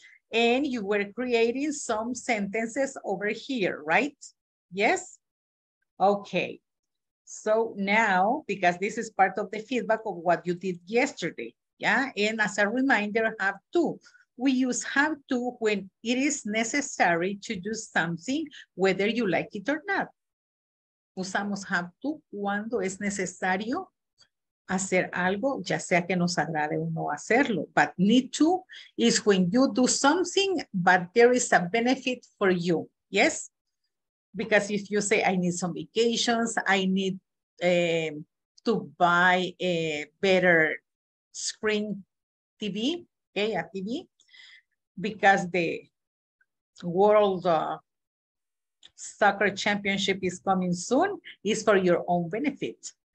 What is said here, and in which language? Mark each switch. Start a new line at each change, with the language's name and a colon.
English: And you were creating some sentences over here, right? Yes? Okay. So now, because this is part of the feedback of what you did yesterday, yeah? And as a reminder, have to. We use have to when it is necessary to do something, whether you like it or not.
Spanish: Usamos have to cuando es necesario hacer algo, ya sea que nos agrade o no hacerlo.
English: But need to is when you do something, but there is a benefit for you, yes? Because if you say, I need some vacations, I need to buy a better screen TV, okay, a TV, because the world soccer championship is coming soon, is for your own benefit.